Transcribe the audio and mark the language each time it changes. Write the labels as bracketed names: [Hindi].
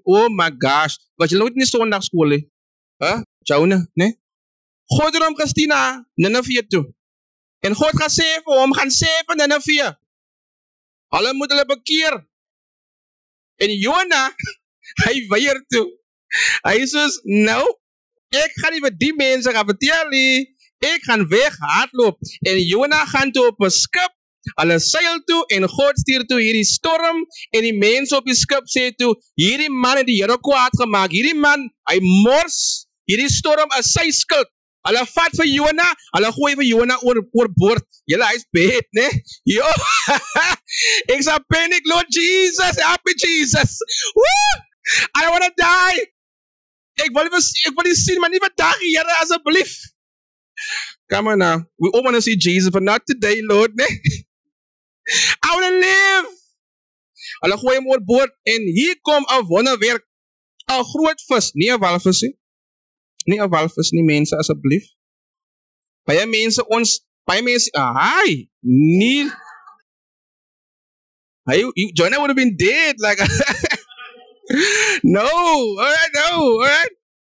[English] Oh my gosh, [Afrikaans] wat jy nooit in die sondag skool he? Jona, ne? God het hom gestuur na Nineve toe. En God gaan sê vir hom, gaan sê vir Nineve. Hulle moet hulle bekeer. En Jona, hy weier toe. Hy soos, nou, ek gaan nie vir die mense gaan vertel nie. Ek gaan weg, hardloop. En Jona gaan toe op 'n skip, hulle seil toe, en God stuur toe hierdie storm, en die mense op die skip sê toe, hierdie man het die Here kwaad gemaak, hierdie man, hy mors, hierdie storm is sy skuld. Hulle vat vir Jona, hulle gooi vir Jona oorboord, julle hy is bed, ne? Jo, ek sal panic, [English] Lord Jesus, help me Jesus, woo! I don't wanna die, [Afrikaans] ek wil nie sien, maar nie vandag, Here, asseblief. [English] Come on now, we all wanna see Jesus, but not today, Lord, ne? I wanna live! [Afrikaans] Hulle gooi hem oorboord, en hier kom een wonderwerk, een groot vis, nie een walvis, he? Nie een walvis nie, mense, asseblief. Baie mense, ons, baie mense, [English] hi, nie, hi, Jonah would have been dead, like, no, alright, no, alright.